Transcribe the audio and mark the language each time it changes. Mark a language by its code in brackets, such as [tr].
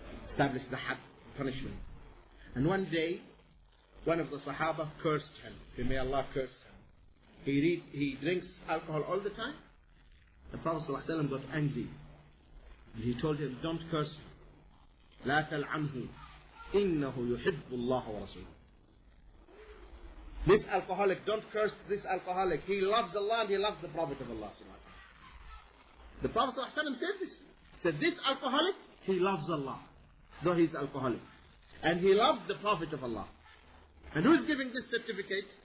[en] Establish the had punishment. And one day, one of the Sahaba cursed him. Say, may Allah curse him. He drinks alcohol all the time. The Prophet صلى الله عليه وسلم got angry. And he told him, don't curse him. [ar] لا تلعنه إنه يحب الله ورسوله. [en] This alcoholic, don't curse this alcoholic. He loves Allah and he loves the Prophet of Allah. The Prophet صلى الله عليه وسلم said this. He said, this alcoholic, he loves Allah. Though he's alcoholic. And he loves the Prophet of Allah. And who's giving this certificate?